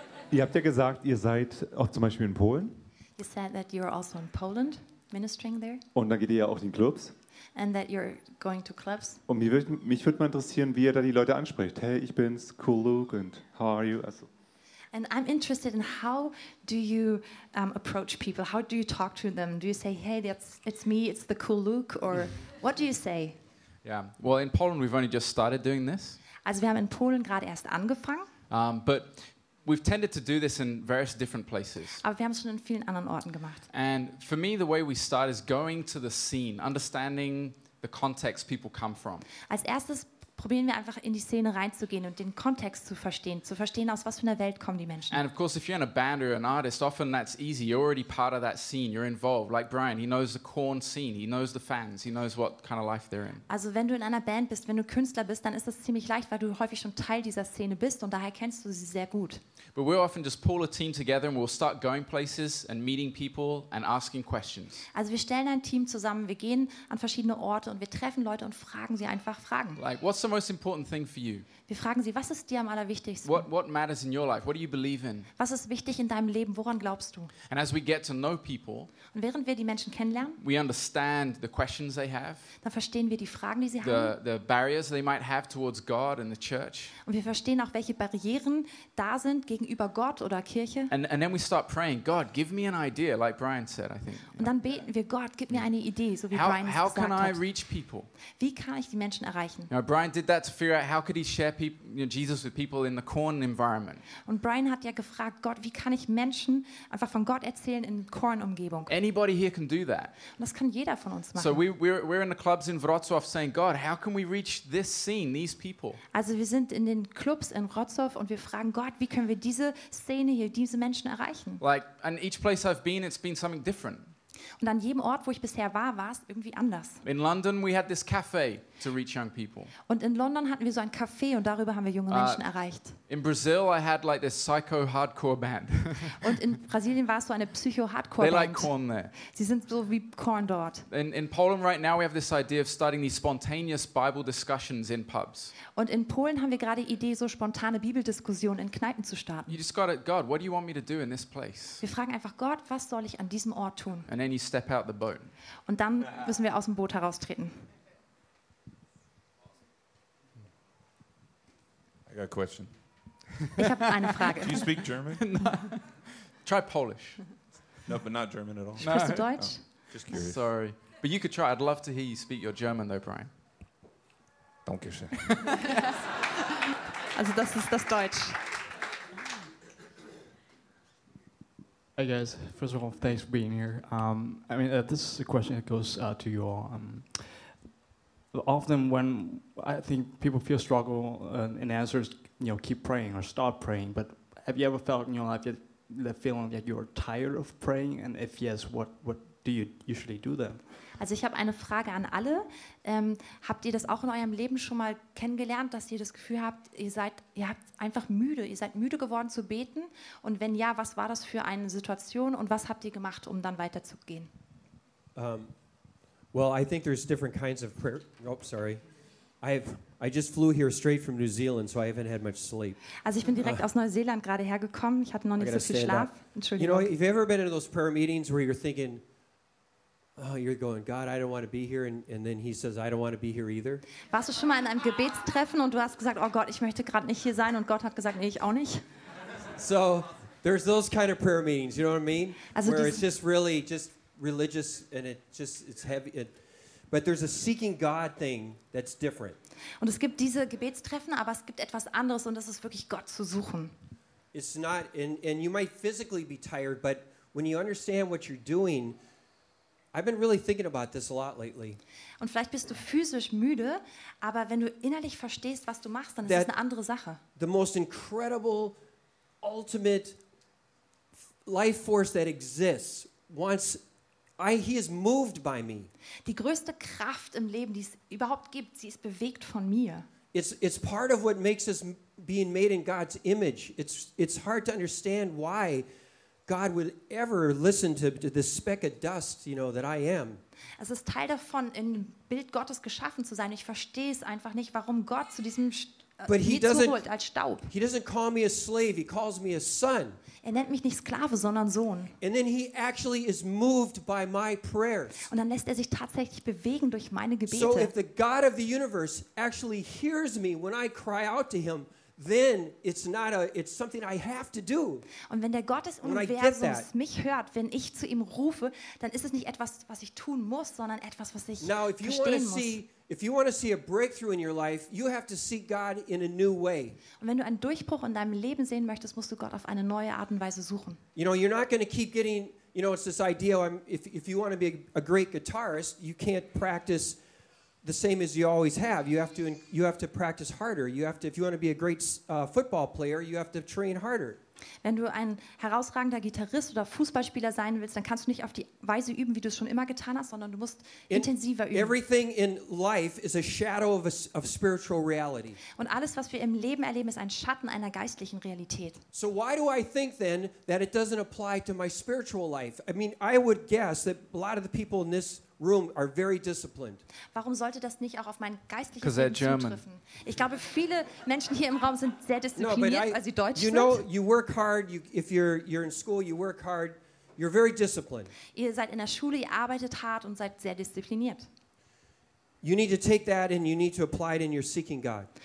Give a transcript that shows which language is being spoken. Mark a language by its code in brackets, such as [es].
[de] Ihr habt ja gesagt, ihr seid auch zum Beispiel in Polen. [en] You said that you're also in Poland, ministering there. [de] Und dann geht ihr ja auch in den Clubs. [en] And that you're going to clubs. [de] Und mich würde mal interessieren, wie ihr da die Leute anspricht. Hey, ich bin's, cool Luke, [en] and how are you? [de] Also. [en] And I'm interested in how do you approach people? How do you talk to them? Do you say, hey, it's me, it's the cool Luke? Or what do you say? Yeah, well, in Poland, we've only just started doing this. [de] Also wir haben in Polen gerade erst angefangen. [en] But we've tended to do this in various different places. [de] Aber wir haben es schon in vielen anderen Orten gemacht. [en] And for me, the way we start is going to the scene, understanding the context people come from. [de] Als erstes probieren wir einfach in die Szene reinzugehen und den Kontext zu verstehen, aus was für einer Welt kommen die Menschen. [en] And of course, if you're in a band or an artist, often that's easy. You're already part of that scene. You're involved. Like Brian, he knows the Korn scene. He knows the fans. He knows what kind of life they're in. [de] Also wenn du in einer Band bist, wenn du Künstler bist, dann ist das ziemlich leicht, weil du häufig schon Teil dieser Szene bist und daher kennst du sie sehr gut. [en] But we'll often just pull a team together and we'll start going places and meeting people and asking questions. [de] Also wir stellen ein Team zusammen. Wir gehen an verschiedene Orte und wir treffen Leute und fragen sie einfach Fragen. [en] Like, what's some most important thing for you? [de] Wir fragen sie, was ist dir am allerwichtigsten? [en] What matters in your life? What do you believe in? [de] Was ist wichtig in deinem Leben? Woran glaubst du? [en] And as we get to know people, [de] und während wir die Menschen kennenlernen, [en] we understand the questions they have. [de] Dann verstehen wir die Fragen, die sie haben. [en] The barriers they might have towards God and the church. [de] Und wir verstehen auch, welche Barrieren da sind gegenüber Gott oder Kirche. [en] And then we start praying, God, give me an idea, like Brian said, I think. [de] Und dann beten wir, Gott, gib mir eine Idee, so wie Brian gesagt hat. [en] How can I reach people? [de] Wie kann ich die Menschen erreichen? [en] Now Brian did that to figure out how could he share Jesus with people in the corn environment. [de] Und Brian hat ja gefragt, Gott, wie kann ich Menschen einfach von Gott erzählen in Kornumgebung? [en] Anybody here can do that. [de] Und das kann jeder von uns machen. [en] So we're in the clubs in Wrocław saying, God, how can we reach this scene, these people? [de] Also wir sind in den Clubs in Wrocław und wir fragen Gott, wie können wir diese Szene hier, diese Menschen erreichen? [en] Like in each place I've been, it's been something different. [de] Und an jedem Ort, wo ich bisher war, war es irgendwie anders. [en] In London we had this cafe to reach young people. [de] Und in London hatten wir so ein Café und darüber haben wir junge Menschen erreicht. [en] In Brazil I had like this psycho hardcore band. [de] Und in Brasilien war es so eine psycho hardcore [en] band. They like corn there. [de] Sie sind so wie Korn dort. [en] In Poland right now we have this idea of starting these spontaneous Bible discussions in pubs. [de] Und in Polen haben wir gerade die Idee, so spontane Bibeldiskussionen in Kneipen zu starten. [en] You just gotta, God, what do you want me to do in this place? [de] Wir fragen einfach Gott, was soll ich an diesem Ort tun? [en] And then you step out the boat. [de] Und dann müssen wir aus dem Boot heraustreten. [en] I got a question. [de] Ich habe eine Frage. [en] Do you speak German? Try Polish. No, but not German at all. [de] Sprichst du Deutsch? Oh, [en] just curious. Sorry. But you could try. I'd love to hear you speak your German though, Brian. [de] Danke schön. Also das ist das Deutsch. [en] Hey guys, first of all, thanks for being here. This is a question that goes to you all. Often when I think people feel struggle in answers, you know, keep praying or stop praying, but have you ever felt in your life the feeling that you're tired of praying? And if yes, what do you usually do then? [de] Also ich habe eine Frage an alle. Habt ihr das auch in eurem Leben schon mal kennengelernt, dass ihr das Gefühl habt, ihr seid müde geworden zu beten? Und wenn ja, was war das für eine Situation und was habt ihr gemacht, um dann weiterzugehen? [en] Well, I think there's different kinds of prayer. Oh, sorry. I just flew here straight from New Zealand, so I haven't had much sleep. [de] Also ich bin direkt aus Neuseeland gerade hergekommen. Ich hatte noch nicht so viel Schlaf. Entschuldigung. [en] You know, have you ever been in those prayer meetings where you're thinking, oh, you're going, God, I don't want to be here, and then he says, I don't want to be here either. [de] Warst du schon mal in einem Gebetstreffen und du hast gesagt, oh Gott, ich möchte gerade nicht hier sein, und Gott hat gesagt, nee, ich auch nicht? [en] So, there's those kind of prayer meetings, you know what I mean? [de] Also [en] where it's just really just religious, and it's heavy. But there's a seeking God thing that's different. [de] Und es gibt diese Gebetstreffen, aber es gibt etwas anderes, und das ist wirklich Gott zu suchen. [en] It's not, and you might physically be tired, but when you understand what you're doing, I've been really thinking about this a lot lately. [de] Und vielleicht bist du physisch müde, aber wenn du innerlich verstehst, was du machst, dann ist es eine andere Sache. [en] The most incredible, ultimate life force that exists wants, he is moved by me. [de] Die größte Kraft im Leben, die es überhaupt gibt, sie ist bewegt von mir. [en] It's part of what makes us being made in God's image. It's hard to understand why God would ever listen to this speck of dust, you know, that I am. [de] Es ist Teil davon, in Bild Gottes geschaffen zu sein. Ich verstehe es einfach nicht, warum Gott zu diesem zuholt als Staub. [en] He doesn't call me a slave, he calls me a son. [de] Er nennt mich nicht Sklave, sondern Sohn. [en] And then he actually is moved by my prayers. [de] Und dann lässt er sich tatsächlich bewegen durch meine Gebete. [en] So if the God of the universe actually hears me when I cry out to him, then it's something I have to do. [de] Und wenn der Gott des Universums mich hört, wenn ich zu ihm rufe, dann ist es nicht etwas, was ich tun muss, sondern etwas, was ich verstehen muss. [en] If you want to see a breakthrough in your life, you have to seek God in a new way. [de] Und wenn du einen Durchbruch in deinem Leben sehen möchtest, musst du Gott auf eine neue Art und Weise suchen. [en] You know, you're not going to keep getting, you know, it's this idea, if you want to be a great guitarist, you can't practice the same as you always have. You have to practice harder. If you want to be a great football player, you have to train harder. [de] Wenn du ein herausragender Gitarrist oder Fußballspieler sein willst, dann kannst du nicht auf die Weise üben, wie du es schon immer getan hast, sondern du musst intensiver üben. [en] Everything in life is a shadow of spiritual reality. [de] Und alles, was wir im Leben erleben, ist ein Schatten einer geistlichen Realität. [en] So why do I think then that it doesn't apply to my spiritual life? I mean, I would guess that a lot of the people in this room are very disciplined. [de] Warum sollte das nicht auch auf mein geistliches Leben zutreffen? Ich glaube, viele Menschen hier im Raum sind sehr diszipliniert, weil sie Deutsch sind. [en] No, but you know, you work hard. If you're in school, you work hard. You're very disciplined. [de] Ihr seid in der Schule, ihr arbeitet hart und seid sehr diszipliniert. [en] You need to take that and you need to apply it in your seeking God.